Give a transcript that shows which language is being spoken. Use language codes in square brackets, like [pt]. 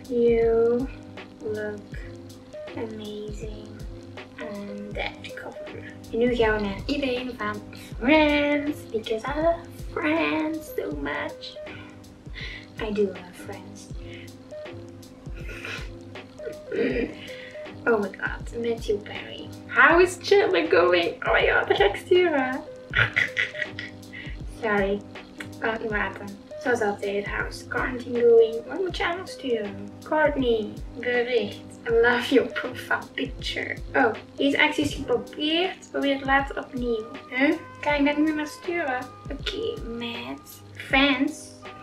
[en] You look amazing on that cover. [nl] En nu gaan we naar iedereen van Friends. [en] Because I love Friends so much. I do love Friends. Oh my god, Matthew Perry. How is Chandler going? [nl] Oh my god, ga ik sturen. Sorry, ik kan het niet laten. Zoals altijd, [en] how's quarantine going? [nl] Wat moet je aan ons sturen? Courtney, bericht. [en] I love your profile picture. [nl] Oh, deze actie is geprobeerd. Probeer het later opnieuw. Huh? Kan ik dat nu maar sturen? Oké, Matt. Friends.